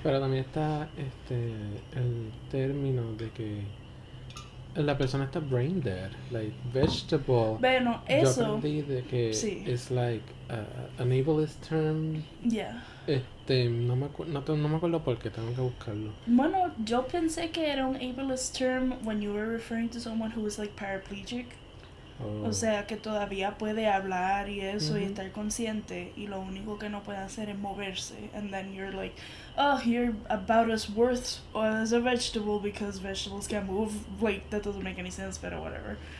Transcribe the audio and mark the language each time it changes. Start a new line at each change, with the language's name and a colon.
Spanish: Pero también está el término de que la persona está
English: brain dead, like vegetable.
Spanish: Bueno, Yo eso aprendí de que sí.
English: es like an ableist term.
Spanish: Ya. No me acuerdo por qué, tengo que buscarlo. Bueno, yo pensé que era un
English: ableist term when you were referring to someone who was like paraplegic.
Spanish: O sea, que todavía puede hablar y eso y estar consciente y lo único que no puede hacer es moverse.
English: And then you're like, oh, you're about as worth as a vegetable because vegetables can't move. Like, that doesn't make any sense, but whatever.